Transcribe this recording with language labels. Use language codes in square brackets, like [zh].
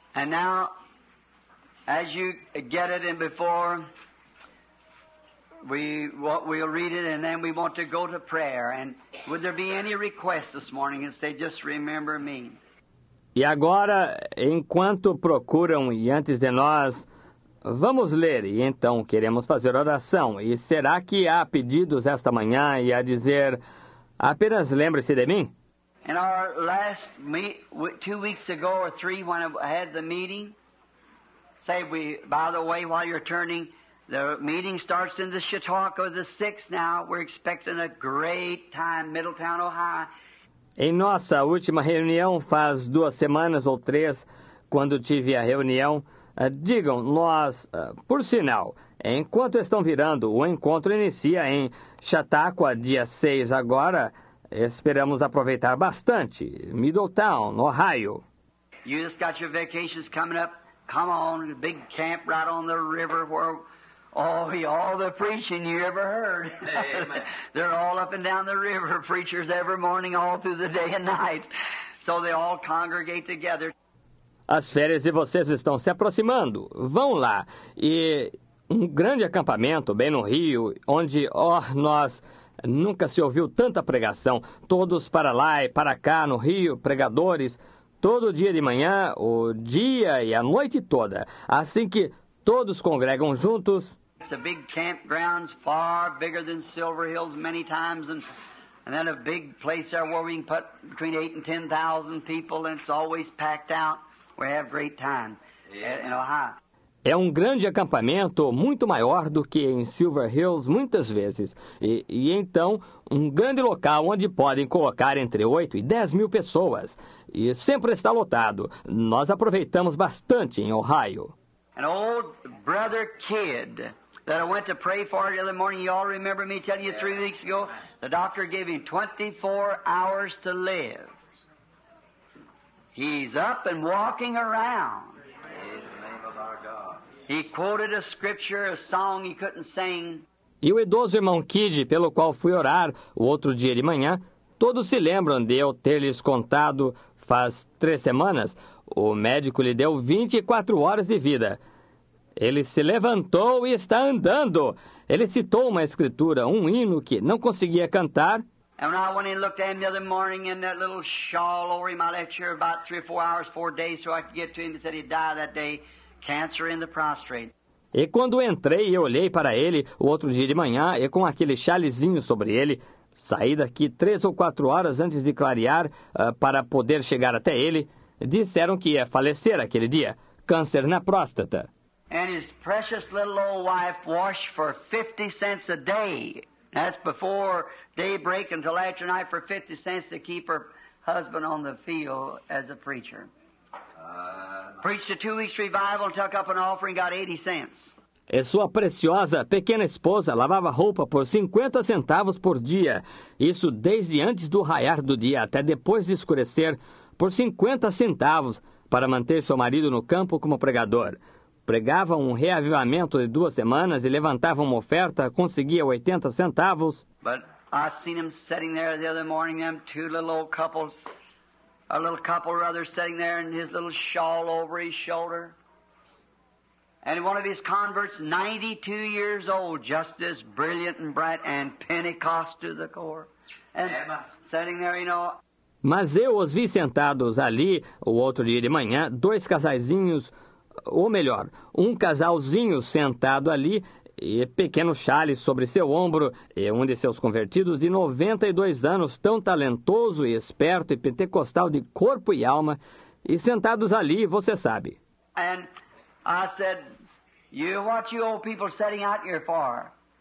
[pt] E agora, [en] as you get it in before, we'll read it, and then we want to go to prayer. And would there be any request this morning and say, just remember me? [pt] E agora, enquanto procuram e antes de nós, vamos ler e então queremos fazer oração. E será que há pedidos esta manhã e a dizer, apenas lembre-se de mim? [en] In our last meeting, 2 weeks ago or 3, when I had the meeting, say we, by the way, while you're turning, the meeting starts in the Chautauqua, the 6th now, we're expecting a great time, Middletown, Ohio. [pt] Em nossa última reunião, faz 2 semanas ou 3, quando tive a reunião, digam, nós, por sinal, enquanto estão virando, o encontro inicia em Chautauqua, dia 6 agora, esperamos aproveitar bastante, Middletown, Ohio. [en] You just got your vacations coming up, come on, big camp right on the river where... Oh, all the preaching you ever heard. Amen. They're all up and down the river, preachers every morning, all through the day and night. So they all congregate together. [pt] As férias de vocês estão se aproximando. Vão lá. E um grande acampamento bem no rio, onde, oh, nós, nunca se ouviu tanta pregação. Todos para lá e para cá no rio, pregadores, todo dia de manhã, o dia e a noite toda. Assim que... Todos congregam juntos. [en] It's a big campground, far bigger than Silver Hills many times, and then a big place there where we can put between 8,000 and 10,000 people, and it's always packed out. We have great time in Ohio. [pt] É um grande acampamento, muito maior do que em Silver Hills muitas vezes. E então, um grande local onde podem colocar entre 8,000 and 10,000 pessoas. E sempre está lotado. Nós aproveitamos bastante em Ohio. [en] An old brother kid that I went to pray for the other morning, you all remember me telling you 3 weeks ago, the doctor gave him 24 hours to live. He's up and walking around. He quoted a scripture, a song he couldn't sing. [pt] E o idoso irmão Kid, pelo qual fui orar o outro dia de manhã, todos se lembram de eu ter-lhes contado faz 3 semanas... O médico lhe deu 24 horas de vida. Ele se levantou e está andando. Ele citou uma escritura, um hino que não conseguia cantar. [en] And when I went in and looked at him the other morning in that little shawl over him, I left here about 3 or 4 hours, 4 days, so I could get to him. He said he'd die that day, cancer in the prostate. [pt] E quando entrei e olhei para ele o outro dia de manhã, e com aquele chalezinho sobre ele, saí daqui 3 ou 4 horas antes de clarear para poder chegar até ele, disseram que ia falecer aquele dia, câncer na próstata. [en] And his precious little old wife washed for 50 cents a day. That's before daybreak until after night for 50 cents to keep her husband on the field as a preacher. Preached a 2 weeks revival, took up an offering, got 80 cents. [pt] E sua preciosa pequena esposa lavava roupa por 50 centavos por dia. Isso desde antes do raiar do dia até depois de escurecer, por 50 centavos, para manter seu marido no campo como pregador. Pregava um reavivamento de 2 semanas e levantava uma oferta, conseguia 80 centavos. [en] But I seen them sitting there the other morning, them two little old couples, a little couple rather sitting there in his little shawl over his shoulder. And one of his converts, 92 years old, just as brilliant and bright and Pentecost to the core. And sitting there, you know. [pt] Mas eu os vi sentados ali o outro dia de manhã, dois casaizinhos. Ou melhor, um casalzinho sentado ali, e pequeno chale sobre seu ombro, e um de seus convertidos de 92 anos, tão talentoso e esperto e pentecostal de corpo e alma, e sentados ali, você sabe. [en] And I said, you what you old people sitting out here for?